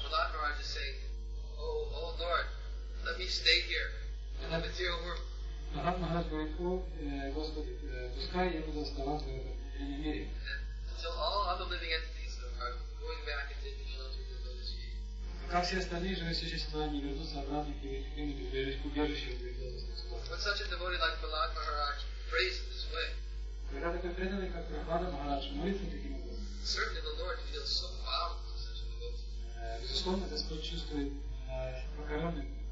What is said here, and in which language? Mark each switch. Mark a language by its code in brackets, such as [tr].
[en] Прохлад Махарадж is saying, oh, oh Lord, let me stay here in the material world. [ru] Прохлад Махарадж говорит, о Господи, пускай я буду оставаться в этом мире. [en] Until all other living entities are going back into the shelter. [ru] Как все остальные живые существа не вернутся обратно к убежищу. [en] When such a devotee like Prahlad Maharaj prays in this way, [ru] когда такой преданный, как Прохлад Махарадж, молится таким образом, [en] certainly the Lord feels so bound to such a devotee. [ru] Безусловно, Господь чувствует покоренным.